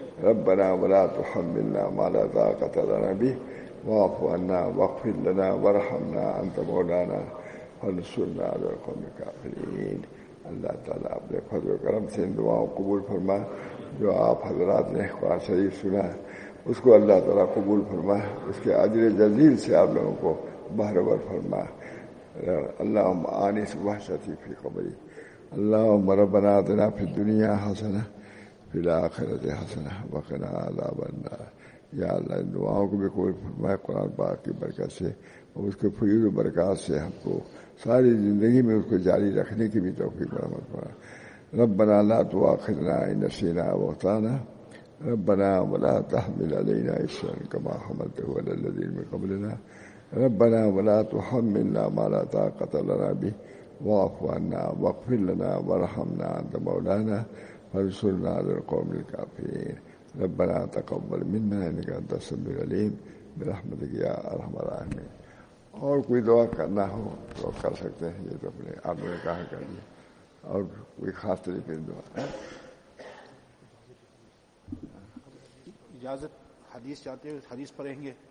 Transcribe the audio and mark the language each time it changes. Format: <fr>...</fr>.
<ar>ربنا ولا تحملنا ما لا طاقۃ لنا به واعف عنا واغفر لنا وارحمنا انت مولانا فانصرنا علی القوم الکافرین.</ar> <ur>اللہ تعالیٰ اپنے فضل و کرم سے ان دعاؤں قبول فرما, جو آپ حضرات نے قرآن شریف سنا اس کو اللہ تعالیٰ قبول فرما, اس کے اجر جزیل سے آپ لوگوں کو بہرور فرما.</ur> <ar>اللہم آنس وحشتی فی قبری اللهم ربنا آتنا في الدنيا حسنه في الاخره حسنه وقنا عذاب النار.</ar> <ur>یا اللہ ان دعاؤں کو بھی قبول فرمائے، قرآن پاک کی برکت سے اور اس کے فیض و برکات سے ہم کو ساری زندگی میں اس کو جاری رکھنے کی بھی توفیق فراہم کرے.</ur> <ar>ربنا لا تؤاخذنا ان نسینا او اخطأنا، ربنا ولا تحمل علينا اصرا كما حملته على الذين من قبلنا، ربنا ولا تحملنا ما لا طاقة لنا به، واعف عنا واغفر لنا وارحمنا انت مولانا فانصرنا على القوم الكافرين. ربنا تقبل منا انك انت السميع العليم، برحمتك يا ارحم الراحمين.</ar> <ur>اور کوئی دعا کرنا ہو تو کر سکتے ہیں، یہ تو اپنے آپ نے کہا کر دیا. اور کوئی خاص طریقے دعا، اجازت حدیث چاہتے ہیں؟ حدیث پڑھیں گے.</ur>